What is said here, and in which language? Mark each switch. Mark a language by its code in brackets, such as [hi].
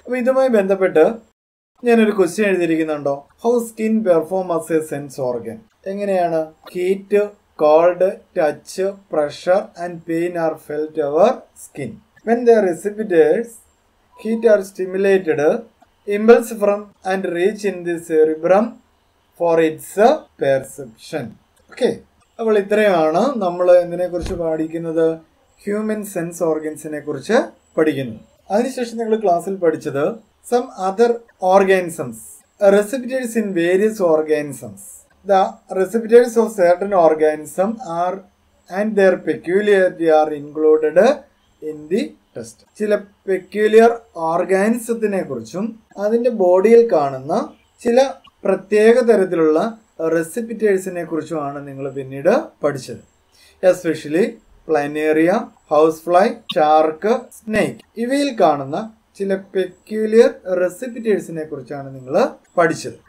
[ml] അപ്പം ഇതുമായി ബന്ധപ്പെട്ട് ഞാനൊരു question എഴുതിയിരിക്കുന്നുണ്ടോ, [en] how skin perform as a sense organ, [ml] എങ്ങനെയാണ് [en] Heat, cold, touch, pressure and pain are felt our skin when the receptors heat are stimulated impulse from and reach in the cerebrum for its perception. [ml] Okay, അപ്പോൾ ഇത്രയുമാണ് നമ്മൾ എന്തിനെ കുറിച്ച് പഠിക്കുന്നത്, human sense ഓർഗൻസിനെ കുറിച്ച് പഠിക്കുന്നത്. അതിനുശേഷം നിങ്ങൾ ക്ലാസ്സിൽ പഠിച്ചത് [en] some other organisms, recipients in various organisms. The recipients of certain organism are and their peculiarity are included in the test. [ml] ചില പെക്യൂലിയർ ഓർഗാനിസത്തിനെ കുറിച്ചും അതിൻ്റെ ബോഡിയിൽ കാണുന്ന ചില പ്രത്യേക തരത്തിലുള്ള റെസിപ്പിറ്റേഴ്സിനെ കുറിച്ചുമാണ് നിങ്ങൾ പിന്നീട് പഠിച്ചത്. Especially planaria, house fly, shark, snake ഇവയിൽ കാണുന്ന ചില പെക്യൂലിയർ റെസിപ്പിറ്റേഴ്സിനെ കുറിച്ചാണ് നിങ്ങൾ പഠിച്ചത്.